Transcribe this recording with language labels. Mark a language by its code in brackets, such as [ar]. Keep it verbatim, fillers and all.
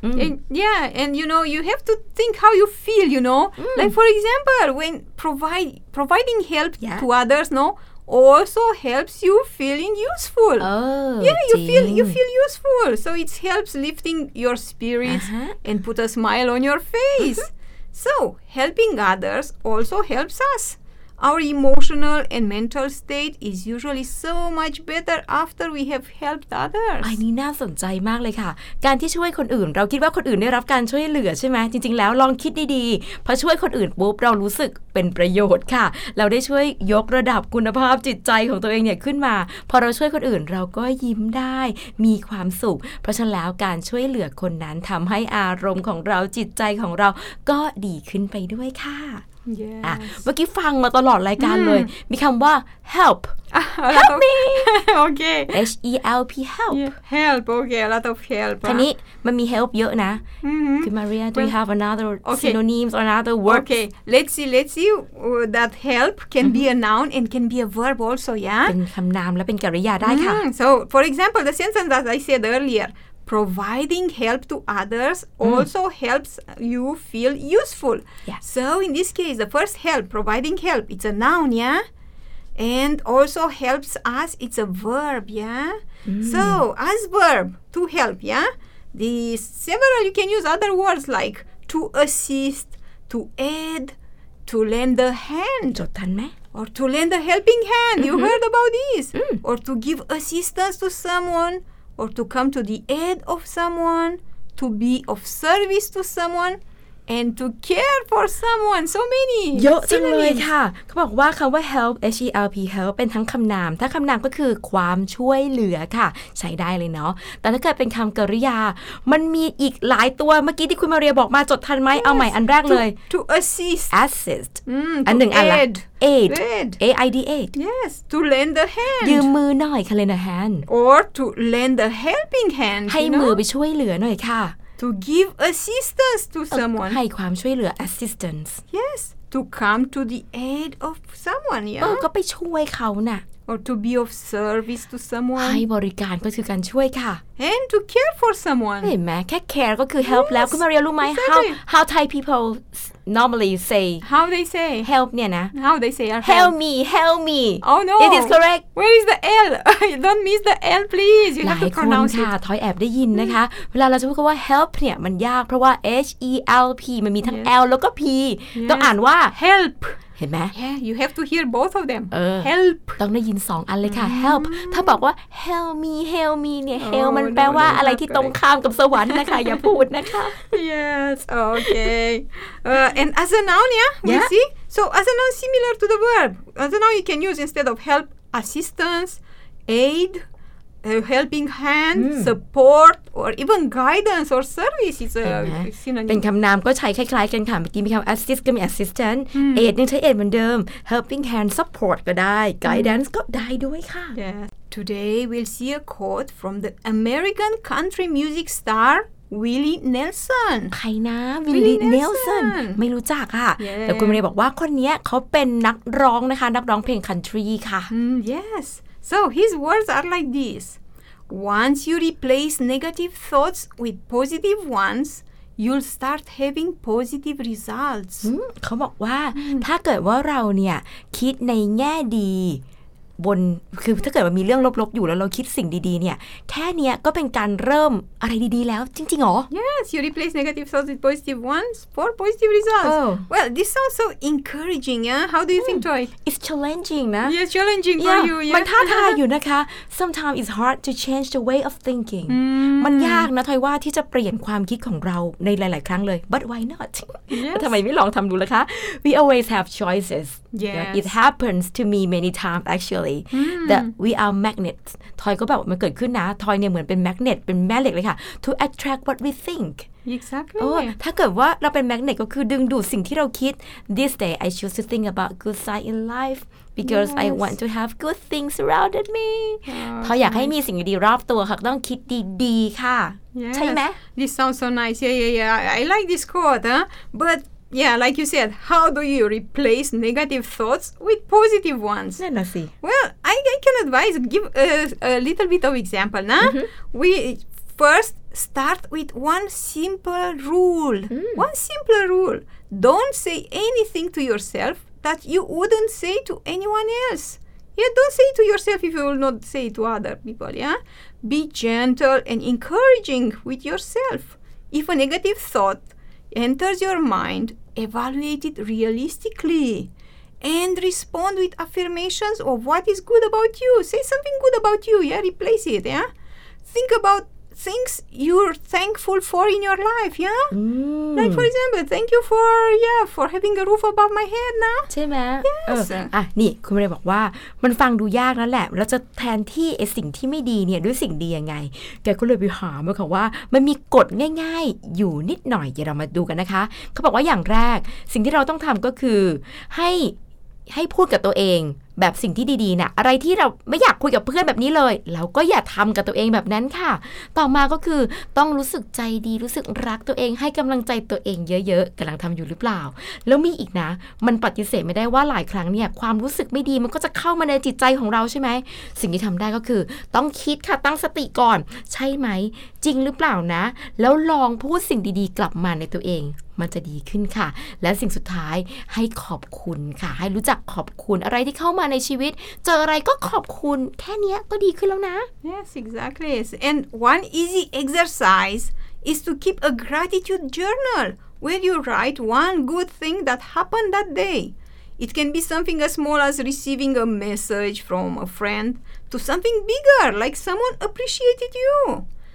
[en] and, Yeah, and you know you have to think how you feel, you know, mm. like for example when provide providing help Yeah. to others, no, also helps you feeling useful. Oh, yeah, you [th] จริง [en] feel you feel useful, so it helps lifting your spirits Uh-huh. and put a smile on your face. So helping others also helps us. Our emotional and mental state is usually so much better after we have helped others. [th] อันนี้น่าสนใจมากเลยค่ะการที่ช่วยคนอื่นเราคิดว่าคนอื่นได้รับการช่วยเหลือใช่ไหมจริงๆแล้วลองคิดดีๆพอช่วยคนอื่นปุ๊บเรารู้สึกเป็นประโยชน์ค่ะเราได้ช่วยยกระดับคุณภาพจิตใจของตัวเองเนี่ยขึ้นมาพอเราช่วยคนอื่นเราก็ยิ้มได้มีความสุขเพราะฉะนั้นแล้วการช่วยเหลือคนนั้นทำให้อารมณ์ของเราจิตใจของเราก็ดีขึ้นไปด้วยค่ะ [en] Yes. [th] อ่ะเมื่อกี้ฟังมาตลอดรายการเลยมีคำว่า help [en] Help me. okay. H E L P help Yeah, help. Okay, a lot of help. [th] ทีนี้มันมี help เยอะนะ Mhm. คือ [en] Maria do you Well, have another okay. synonyms or another words Okay, let's see, let's see uh, that help can be a noun and can be a verb also, [th] เป็ [en] yeah? [th] นคำนามและเป็นกริยาได้ค่ะ [en] Mm, so, for example, the sentence that I said earlier, providing help to others also helps you feel useful. Yeah. So, in this case, the first help, providing help, it's a noun, yeah? And also helps us, it's a verb, yeah? So, as verb, to help, yeah? The several, you can use other words like to assist, to aid, to lend a hand. [th] จดทันไหม [en] Or to lend a helping hand. You heard about this. Or to give assistance to someone. Or to come to the aid of someone. To be of service to someone. And to care for someone. So many. [th] เยอะจังเลย [en] synonyms. [th] ค่ะเขาบอกว่าคำว่า help H E L P help เป็นทั้งคำนามถ้าคำนามก็คือความช่วยเหลือค่ะใช้ได้เลยเนาะแต่ถ้าเกิดเป็นคำกริยามันมีอีกหลายตัวเมื่อกี้ที่คุณมาเรียบอกมาจดทันไหมเอาใหม่อันแรกเลย [en] To assist. assist Mm, [th] อันหนึ่ง [en] to [th] อันละ [en] aid. aid Aid. A I D aid Yes. To lend a hand. [th] ยืมมือหน่อยค่ะ [en] lend a hand Or to lend a helping hand. [th] ให้ [en] you know? [th] มือไปช่วยเหลือหน่อยค่ะ [en] to give assistance to someone [th] ให้ความช่วยเหลือ assistance [en] yes to come to the aid of someone yeah [th] เออก็ไปช่วยเขาน่ะ [en] or to be of service to someone [th] ให้บริการก็คือการช่วยค่ะ [en] and to care for someone [th] เห็นไหมแค่ care ก็คือ help แล้วคุณมาเรียรู้ไหม [en] how how Thai people normally say how they say [th] help เนี่ยนะ [en] how they say help me help me oh no it is correct where is the l don't miss the l please you have to pronounce it [th] หลายคนค่ะท้อยแอบได้ยินนะคะเวลาเราจะพูดคำว่า help เนี่ยมันยากเพราะว่า h e l p มันมีทั้ง l แล้วก็ p ต้องอ่านว่า [en] help [th] เห็นไหม [en] yeah, you have to hear both of them [th] เออ [en] help [th] ต้องได้ยินสองอันเลยค่ะ help ถ้าบอกว่า help me help me เนี่ย help มันแปลว่าอะไรที่ตรงข้ามกับสวรรค์นะคะอย่าพูดนะคะ [en] yes okay uh, and as a noun yeah we see so as a noun similar to the verb as a noun you can use instead of help assistance aid a helping hand support or even guidance or service is a synonym [th] เป็นคำนามก็ใช้คล้ายๆกันค่ะเมื่อกี้มีคำ assist ก็มี assistant aid ยังใช้ aid เหมือนเดิม helping hand support ก็ได้ guidance ก็ได้ด้วยค่ะ [en] yeah. Today we'll see a quote from the American country music star Willie Nelson [th] ใครนะ Willie Nelson ไม่รู้จักค่ะ [en] yeah. [th] แต่คุณมาเรียบอกว่าคนนี้เขาเป็นนักร้องนะคะนักร้องเพลง country ค่ะ [en] mm, yes So his words are like this. Once you replace negative thoughts with positive ones, you'll start having positive results. [th] เขาบอกว่าถ้าเกิดว่าเราเนี่ยคิดในแง่ดีบนคือถ้าเกิดว่ามีเรื่องลบๆอยู่แล้วเราคิดสิ่งดีๆเนี่ยแค่เนี้ยก็เป็นการเริ่มอะไรดีๆแล้วจริงๆหรอ [en] Yes, you replace negative thoughts with positive ones for positive results. Oh. Well, this sounds so encouraging. Yeah? How do you think, Joy? It's challenging นะ Yes, challenging for you. Yeah. [th] มันท้าทายอยู่นะคะ [en] Sometimes it's hard to change the way of thinking. [th] มันยากนะทอยว่าที่จะเปลี่ยนความคิดของเราในหลายๆครั้งเลย [en] But why not? [th] ทำไมไม่ลองทำดูล่ะคะ [en] We always have choices. Yes. It happens to me many times actually. Mm. that we are magnets [th] ทอยก็แบบมันเกิดขึ้นนะทอยเนี่ยเหมือนเป็นแมกเนตเป็นแม่เหล็กเลยค่ะ [en] to attract what we think exactly [th] โอ้ถ้าเกิดว่าเราเป็นแมกเนตก็คือดึงดูดสิ่งที่เราคิด [en] this day I choose to think about good side in life because yes. I want to have good things surrounded me [th] ทอยอยากให้มีสิ่งดีๆรอบตัวค่ะต้องคิดดีๆค่ะ [en] yes. [th] ใช่ไหม [en] this sounds so nice yeah yeah yeah I like this quote huh? butYeah, like you said, how do you replace negative thoughts with positive ones? No, no, see. Well, I, I can advise, give a, a little bit of example. Nah? Mm-hmm. We first start with one simple rule. Mm. One simple rule. Don't say anything to yourself that you wouldn't say to anyone else. Yeah, don't say it to yourself if you will not say it to other people. Yeah, be gentle and encouraging with yourself. If a negative thought enters your mind,Evaluate it realistically and respond with affirmations of what is good about you. Say something good about you. Yeah, replace it. Yeah, think about things you're thankful for in your life. Yeah, mm. like for example, thank you for yeah for having a roof above my head. [th] นะ ใช่ไหม [en] Yes. [th] อ่ะนี่คุณไม่ได้บอกว่ามันฟังดูยากแล้วแหละเราจะแทนที่ไอ้สิ่งที่ไม่ดีเนี่ยด้วยสิ่งดียังไงแกก็เลยไปหามาค่ะว่ามันมีกฎง่ายๆอยู่นิดหน่อยเดี๋ยวเรามาดูกันนะคะเขาบอกว่าอย่างแรกสิ่งที่เราต้องทำก็คือให้ ให้พูดกับตัวเองแบบสิ่งที่ดีๆนะอะไรที่เราไม่อยากคุยกับเพื่อนแบบนี้เลยเราก็อย่าทำกับตัวเองแบบนั้นค่ะต่อมาก็คือต้องรู้สึกใจดีรู้สึกรักตัวเองให้กำลังใจตัวเองเยอะๆกำลังทำอยู่หรือเปล่าแล้วมีอีกนะมันปฏิเสธไม่ได้ว่าหลายครั้งเนี่ยความรู้สึกไม่ดีมันก็จะเข้ามาในจิตใจของเราใช่ไหมสิ่งที่ทำได้ก็คือต้องคิดค่ะตั้งสติก่อนใช่ไหม จริงหรือเปล่านะแล้วลองพูดสิ่งดีๆกลับมาในตัวเองมันจะดีขึ้นค่ะและสิ่งสุดท้ายให้ขอบคุณค่ะให้รู้จักขอบคุณอะไรที่เข้ามาในชีวิตเจออะไรก็ขอบคุณแค่นี้ก็ดีขึ้นแล้วนะ [en] Yes, exactly. And one easy exercise is to keep a gratitude journal where you write one good thing that happened that day. It can be something as small as receiving a message from a friend to something bigger, like someone appreciated you.